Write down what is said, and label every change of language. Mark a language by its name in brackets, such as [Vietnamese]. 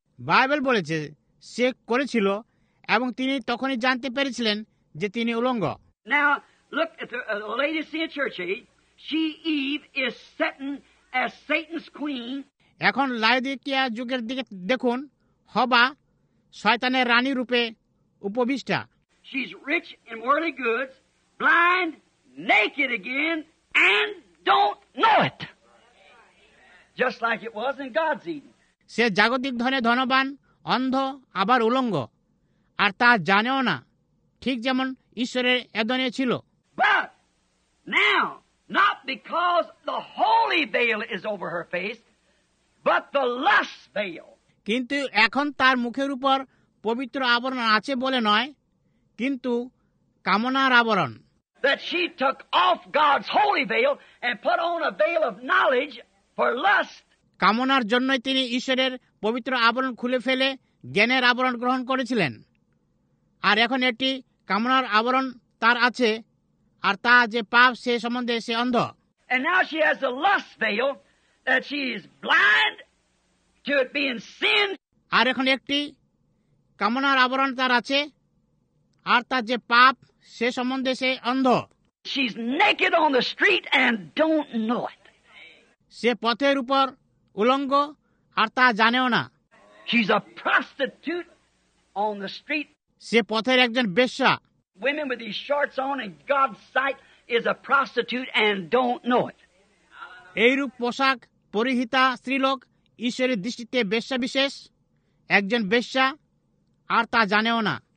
[Bangla] Bible বলেছে সে করেছিল, এবং তিনি তখনই জানতে পেরেছিলেন যে তিনি উলঙ্গ। [English] Now look at the Laodicean church age. She, Eve, is Satan as Satan's queen. [Bangla] এখন লাওদিকিয়া যুগের দিকে দেখুন, হবা শয়তানের রানী রূপে উপবিষ্টা। [English] She's rich in worldly goods, blind, naked again, and don't know it. Just like it was in God's Eden. [Bangla] সে জাগতিক ধনে ধনবান, অন্ধ, আবার উলঙ্গ, আর তা জানেও না, ঠিক যেমন ঈশ্বরের এদনে ছিল। [English] But now, not because the holy veil is over her face, but the lust veil. [Bangla] কিন্তু এখন তার মুখের উপর পবিত্র আবরণ আছে বলে নয়, কিন্তু কামনার আবরণ। [English] That she took off God's holy veil and put on a veil of knowledge for lust. [Bangla] কামনার জন্য তিনি ঈশ্বরের পবিত্র আবরণ খুলে ফেলে জ্ঞানের আবরণ গ্রহণ করেছিলেন, আর এখন এটি কামনার আবরণ তার আছে, আর তা যে পাপ সে সম্বন্ধে সে অন্ধ। [English] And now she has a lust veil that she is blind to it being sin. [Bangla] আর এখন একটি কামনার আবরণ তার আছে, আর তা যে পাপ সে সম্বন্ধে সে অন্ধ। [English] She's naked on the street and don't know it. [Bangla] সে পথের উপর উলঙ্গ, আর তা জানেও না। [English] She's a prostitute on the street. [Bangla] সে পথের একজন বেশ্যা। [English] Women with these shorts on in God's sight is a prostitute and don't know it. [Bangla] এইরূপ পোশাক পরিহিতা স্ত্রীলোক ঈশ্বরের দৃষ্টিতে বেশ্যা বিশেষ, একজন বেশ্যা আর তা জানেও না।